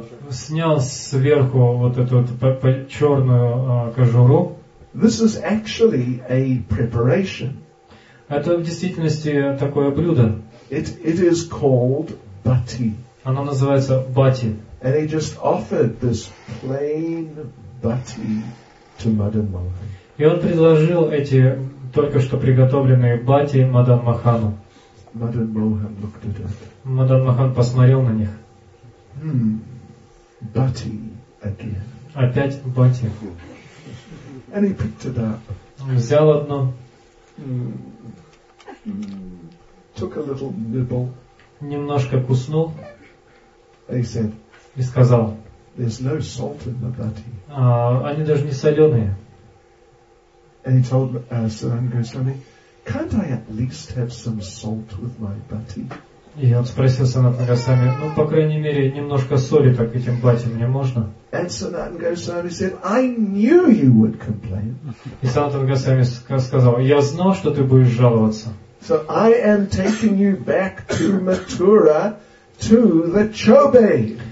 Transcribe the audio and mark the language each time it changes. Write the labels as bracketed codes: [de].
[ru] снял сверху вот эту черную кожуру. [en] This is actually a preparation. [ru] Это в действительности такое блюдо. [en] It is called bati. [ru] Оно называется бати. [en] And he just offered this plain bati to Madan Mohan. [ru] И он предложил эти только что приготовленные бати Мадан Махану. [en] Madan Mohan looked at it. [ru] Мадан Махан посмотрел на них. [en] Bati again. [ru] Опять бати. [en] And he picked it up. [ru] Взял одно. [en] Took a little nibble. [ru] Немножко куснул. [en] He said, [ru] и сказал. [en] There's no salt in the bati. [ru] Они даже не соленые. [en] And he told Sanatana Goswami, can't I at least have some salt with my bati? [ru] И он спросил Санатана Госвами, ну по крайней мере немножко соли так этим бати мне можно? [en] And Sanatana Goswami said, I knew you would complain. [ru] И Санатана Госвами сказал, я знал, что ты будешь жаловаться. [en] So I am taking you back to Mathura to the Chobe.